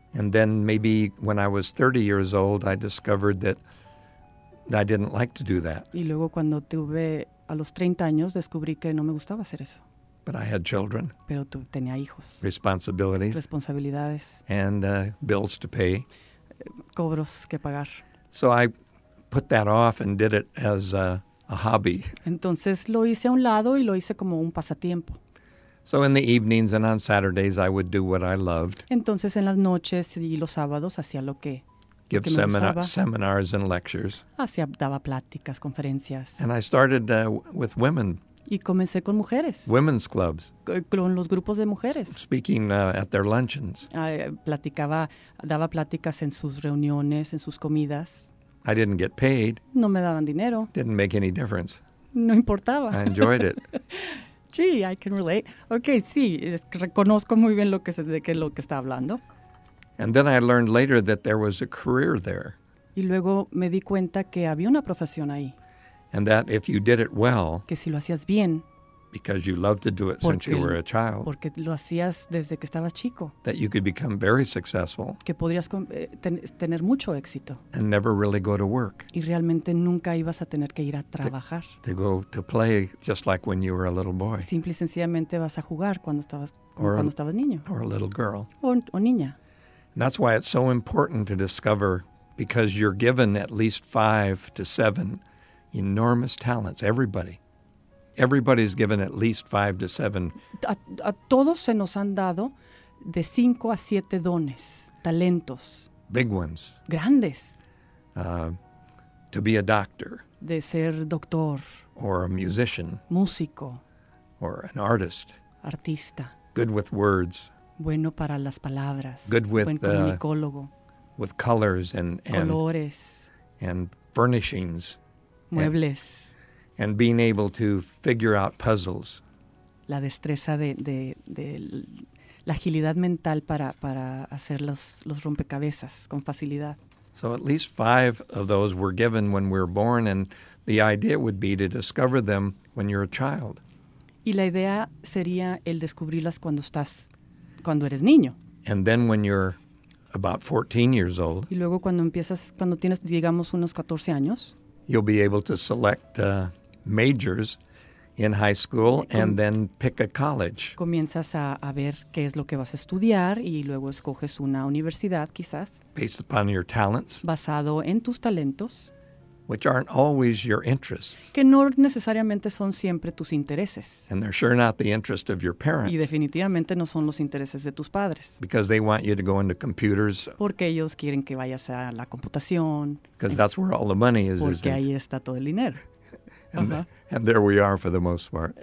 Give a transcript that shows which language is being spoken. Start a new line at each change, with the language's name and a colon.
English: And then maybe when I was 30 years old, I discovered that I didn't like to do that.
Spanish: Y luego cuando tuve a los 30 años, descubrí que no me gustaba hacer eso.
English: But I had children.
Spanish: Pero tenía hijos.
English: Responsibilities.
Spanish: Responsabilidades.
English: And bills to pay.
Spanish: Cobros que pagar.
English: So I put that off and did it as a hobby.
Spanish: Entonces lo hice a un lado y lo hice como un pasatiempo.
English: So in the evenings and on Saturdays I would do what I loved.
Spanish: Entonces en las noches y los sábados hacía lo que
English: give seminars and lectures.
Spanish: Hacía, daba pláticas, conferencias.
English: And I started with women.
Spanish: Y comencé con mujeres.
English: Women's clubs.
Spanish: Con los grupos de mujeres.
English: Speaking at their luncheons.
Spanish: Platicaba, daba pláticas en sus reuniones, en sus comidas.
English: I didn't get paid.
Spanish: No me daban dinero.
English: Didn't make any difference.
Spanish: No importaba.
English: I enjoyed it. Gee, I can relate.
Spanish: Okay, sí, reconozco muy bien lo que está hablando.
English: And then I learned later that there was a career there.
Spanish: Y luego me di cuenta que había una profesión ahí.
English: And that if you did it well,
Spanish: que si lo hacías bien,
English: because you loved to do it since you were a child,
Spanish: porque lo hacías desde que estabas chico,
English: that you could become very successful,
Spanish: que podrías tener mucho éxito,
English: and never really go to work,
Spanish: y realmente nunca ibas a tener que ir a trabajar,
English: to go to play just like when you were a little boy,
Spanish: simple y sencillamente vas a jugar cuando estabas niño,
English: or a little girl,
Spanish: o niña.
English: And that's why it's so important to discover, because you're given at least 5 to 7. Enormous talents, everybody. Everybody's given at least 5 to 7.
Spanish: A todos se nos han dado de 5 a 7 dones, talentos.
English: Big ones.
Spanish: Grandes.
English: To be a doctor.
Spanish: De ser doctor.
English: Or a musician.
Spanish: Músico.
English: Or an artist.
Spanish: Artista.
English: Good with words.
Spanish: Bueno para las palabras.
English: Good with
Spanish: buen comunicólogo.
English: With colors and
Spanish: colores.
English: And furnishings.
Spanish: Muebles.
English: And being able to figure out puzzles.
Spanish: La destreza de la agilidad mental para hacer los rompecabezas con facilidad.
English: So at least 5 of those were given when we were born, and the idea would be to discover them when you're a child.
Spanish: Y la idea sería el descubrirlas cuando eres niño.
English: And then when you're about 14 years old.
Spanish: Y luego cuando tienes, digamos, unos 14 años.
English: You'll be able to select majors in high school and then pick a college.
Spanish: Comienzas a ver qué es lo que vas a estudiar y luego escoges una universidad, quizás.
English: Based upon your talents.
Spanish: Basado en tus talentos.
English: Which aren't always your interests.
Spanish: Que no necesariamente son siempre tus intereses.
English: And they're sure not the interest of your parents.
Spanish: Y definitivamente no son los intereses de tus padres.
English: Because they want you to go into computers.
Spanish: Porque ellos quieren que vayas a la computación.
English: Because that's where all the money is.
Spanish: Porque ahí está todo el dinero.
English: And there we are for the most part.